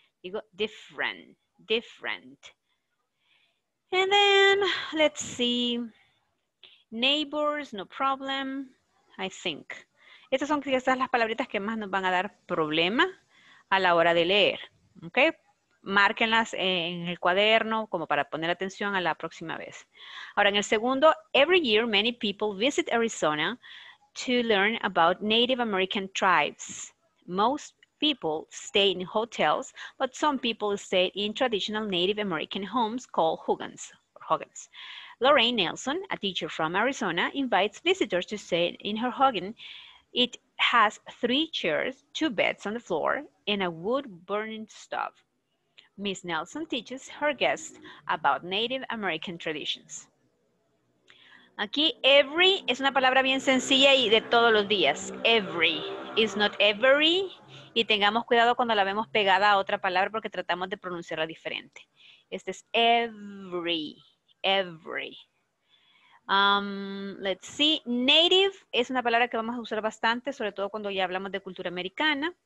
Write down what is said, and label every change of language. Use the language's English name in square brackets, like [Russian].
[Spanish] Digo [English] different, different. And then, let's see. Neighbors, no problem, I think. [Spanish] Estas son quizás las palabritas que más nos van a dar problema a la hora de leer. ¿Ok? Márquenlas en el cuaderno como para poner atención a la próxima vez. Ahora, en el segundo, [English] every year many people visit Arizona to learn about Native American tribes. Most people stay in hotels, but some people stay in traditional Native American homes called hogans. Hogans. Lorraine Nelson, a teacher from Arizona, invites visitors to stay in her hogan. It has three chairs, two beds on the floor, and a wood-burning stove. Miss Nelson teaches her guests about Native American traditions. [Spanish] Aquí, every es una palabra bien sencilla y de todos los días. [English] Every is not every. [Spanish] Y tengamos cuidado cuando la vemos pegada a otra palabra porque tratamos de pronunciarla diferente. Este es every, every. [English] Let's see, [Spanish] native es una palabra que vamos a usar bastante, sobre todo cuando ya hablamos de cultura americana.